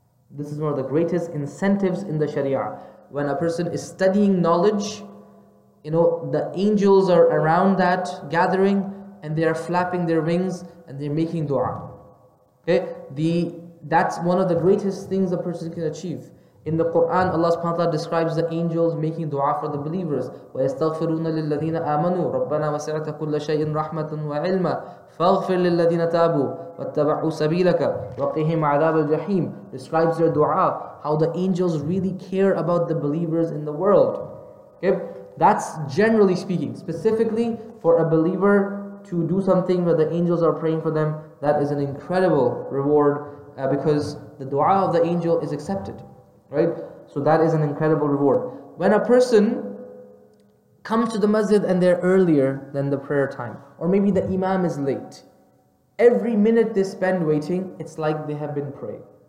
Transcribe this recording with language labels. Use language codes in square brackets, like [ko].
[en] This is one of the greatest incentives in the Sharia. When a person is studying knowledge, you know, the angels are around that gathering and they are flapping their wings and they're making dua. Okay? That's one of the greatest things a person can achieve. In the Quran, Allah subhanahu wa ta'ala describes the angels making dua for the believers. [ar] وَيَسْتَغْفِرُونَ لِلَّذِينَ آمَنُوا رَبَّنَا وَسِعَتَ كُلَّ شَيْءٍ رَحْمَةً وَعِلْمًا فَاغْفِرْ لِلَّذِينَ تَابُوا وَاتَّبَعُوا سَبِيلَكَ وَقِهِمْ عَذَابَ الْجَحِيمِ [en] Describes their dua, how the angels really care about the believers in the world. Okay? That's generally speaking. Specifically, for a believer to do something where the angels are praying for them, that is an incredible reward because the dua of the angel is accepted. Right? So that is an incredible reward. When a person comes to the masjid and they're earlier than the prayer time, or maybe the imam is late, every minute they spend waiting, it's like they have been praying.